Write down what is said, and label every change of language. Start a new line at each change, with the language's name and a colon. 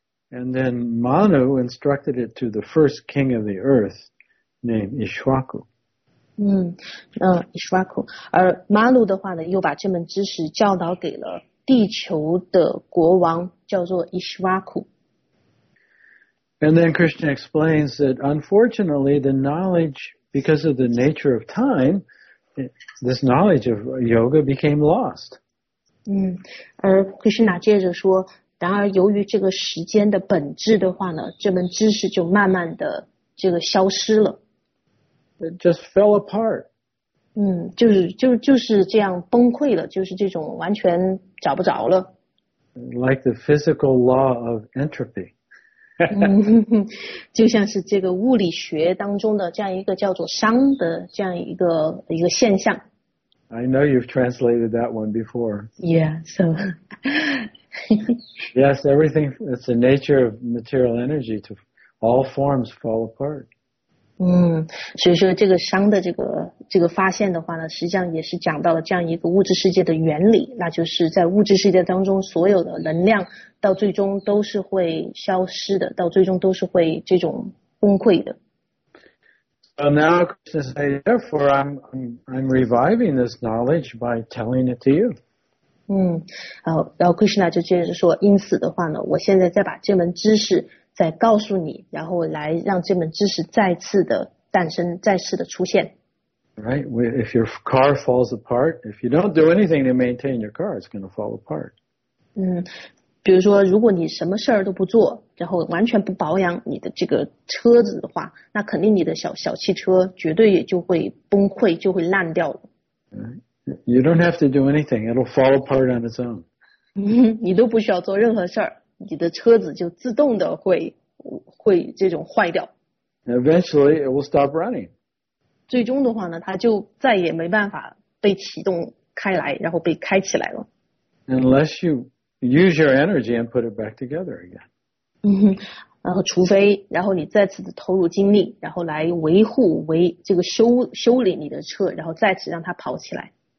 English: And then Manu instructed it to the first king of the earth named Ikshvaku.
Chinese: Ikshvaku. 而 Manu 的话呢，又把这门知识教导给了地球的国王，叫做 Ikshvaku.
English: And then Krishna explains that unfortunately the knowledge, because of the nature of time, this knowledge of yoga became lost.
Chinese: 而 Krishna 接着说，然而由于这个时间的本质的话呢，这门知识就慢慢的这个消失了。
English: It just fell apart.
Chinese: 就是这样崩溃了，就是这种完全找不着了。
English: Like the physical law of entropy.
Chinese: 就像是这个物理学当中的这样一个叫做熵的这样一个现象。
English: I know you've translated that one before. Yeah, so... yes, everything, it's the nature of material energy to all forms fall apart.
Chinese: 所以说这个熵的这个发现的话呢，实际上也是讲到了这样一个物质世界的原理，那就是在物质世界当中，所有的能量到最终都是会消失的，到最终都是会这种崩溃的。
English: So now, Krishna says, therefore, I'm reviving this knowledge by telling it to you.
Chinese: 然后 Krishna 就接着说，因此的话呢，我现在再把这门知识再告诉你，然后来让这门知识再次的诞生，再次的出现。
English: Right? If your car falls apart, if you don't do anything to maintain your car, it's going to fall apart.
Chinese: 比如说，如果你什么事儿都不做，然后完全不保养你的这个车子的话，那肯定你的小汽车绝对也就会崩溃，就会烂掉了。
English: You don't have to do anything. It'll fall apart on its own.
Chinese: 你都不需要做任何事儿，你的车子就自动的会这种坏掉。
English: Eventually, it will stop running.
Chinese: 最终的话呢，它就再也没办法被启动开来，然后被开起来了。
English: Unless you use your energy and put it back together again.
Chinese: 然后除非，然后你再次的投入精力，然后来维护、维这个修理你的车，然后再次让它跑起来。